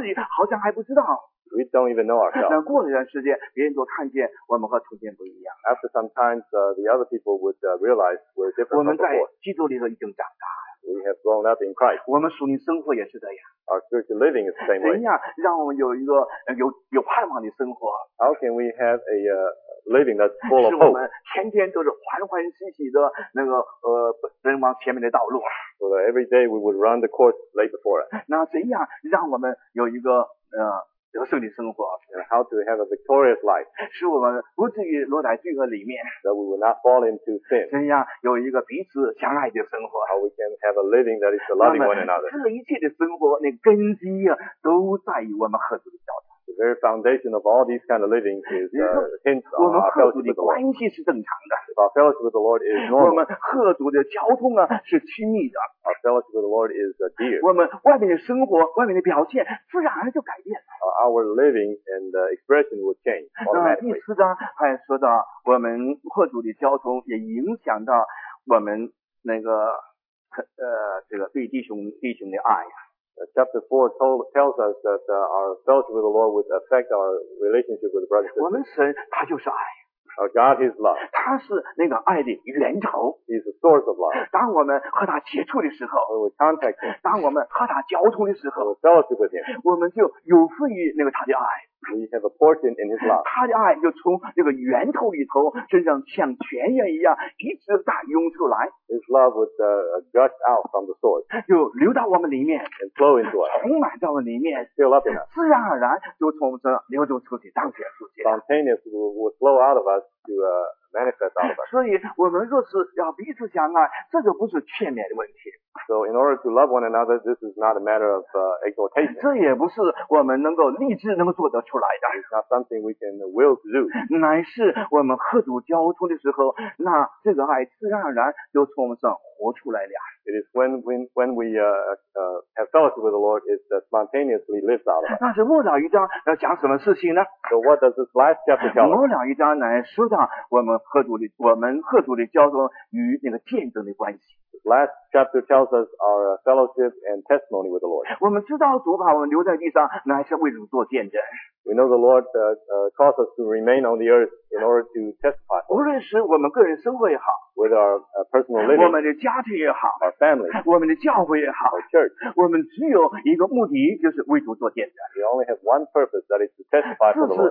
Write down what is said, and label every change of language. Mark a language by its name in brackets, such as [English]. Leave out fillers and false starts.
[Chinese] 我们自己好像还不知道。 [English] We don't even know ourselves. [Chinese] 那过了一段时间，别人就看见我们和从前不一样。 [English] After some time, the other people would realize we're different from before. [Chinese] 我们在基督里头已经长大了。 [English] We have grown up in Christ. [Chinese] 我们属灵生活也是这样。 [English] Our spiritual living is the same way. [Chinese] 怎样让我们有一个有盼望的生活 [English] ？How can we have a living that's full of hope? [Chinese] 是我们天天都是欢欢喜喜的那个奔往前面的道路。 [English] So that every day we would run the course laid before us. [Chinese] 那怎样让我们有一个得胜的生活 [English] ？How to have a victorious life? [Chinese] 使我们不至于落在罪恶里面。 [English] That we will not fall into sin. [Chinese] 怎样有一个彼此相爱的生活 [English] ？How we can have a living that is loving one another. [Chinese] 这一切的生活，那根基呀，都在于我们和主的交通。 [English] The very foundation of all these kind of living is hints on our fellowship with the Lord. [Chinese] 我们和主的关系是正常的。 [English] If our fellowship with the Lord is normal. [Chinese] 我们和主的交通啊是亲密的。 [English] Our fellowship with the Lord is dear. [Chinese] 我们外面的生活，外面的表现，自然而就改变了。 [English] Our living and expression will change. [Chinese] 那第四章还说到，我们和主的交通也影响到我们那个这个对弟兄的爱呀。 [English] Chapter 4 tells us that our fellowship with the Lord would affect our relationship with the brothers and sisters. [Chinese] 我们神他就是爱。 [English] Our God is love. [Chinese] 他是那个爱的源头。 [English] He is the source of love. [Chinese] 当我们和他接触的时候 [English] ，When we contact him. [Chinese] 当我们和他交通的时候 [English] ，When we fellowship with him. [Chinese] 我们就有份于那个他的爱。 [English] We have a portion in his love. [Chinese] 他的爱就从那个源头里头，就像泉源一样，一直在涌出来。 [English] His love would gush out from the source. [Chinese] 就流到我们里面 [English] ，and flow into us. [Chinese] 充满到我们里面 [English] ，fill up in us. [Chinese] 自然而然就从我们这流动出去，彰显出去。 [English] Spontaneously would flow out of us to manifest out of us. [Chinese] 所以，我们若是要彼此相爱，这个不是片面的问题。 [English] So in order to love one another, this is not a matter of exhortation. [Chinese] 这也不是我们能够立志能够做得出来的。 [English] It's not something we can will to do. [Chinese] 乃是我们和主交通的时候，那这个爱自然而然就从我们上活出来了。 [English] It is when we have fellowship with the Lord, it spontaneously lives out of us. [Chinese] 那是末了一章要讲什么事情呢 [English] ？So what does this last chapter tell us? [Chinese] 末了一章乃说到我们和主的交通与那个见证的关系。 [English] Last chapter tells us our fellowship and testimony with the Lord. [Chinese] 我们知道主把我们留在地上，乃是为主做见证。 [English] We know the Lord caused us to remain on the earth in order to testify. [Chinese] 无论是我们个人生活也好 [English] ，with our personal living， [Chinese] 我们的家庭也好 [English] ，our family， [Chinese] 我们的教会也好 [English] ，our church， [Chinese] 我们只有一个目的，就是为主做见证。 [English] We only have one purpose, that is to testify for the Lord.